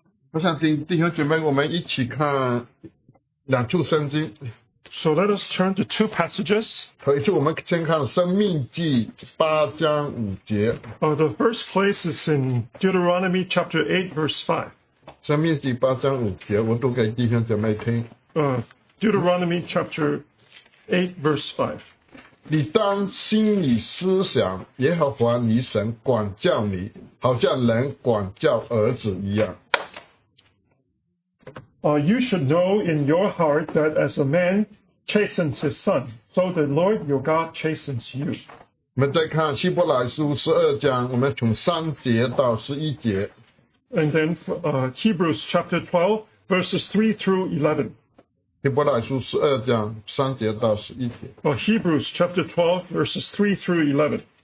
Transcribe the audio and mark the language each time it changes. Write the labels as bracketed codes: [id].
[zh] 我想请弟兄姐妹我们一起看两处圣经。 [en] So let us turn to two passages. [zh] 可以是我们先看生命记八章五节。 [en] The first place is in Deuteronomy chapter 8 verse 5. [zh] 生命记八章五节我读给弟兄姐妹听。 [en] Deuteronomy chapter 8 verse 5. [zh] 你当心里思想耶和华你神管教你好像人管教儿子一样。 [en] You should know in your heart that as a man chastens his son, so the Lord your God chastens you. [zh] 我们再看希伯来书十二章我们从三节到十一节。 [en] And then Hebrews chapter 12, verses 3 through 11. [zh] 希伯来书十二章三节到十一节。 [en] Hebrews chapter 12 verses 3 through 11.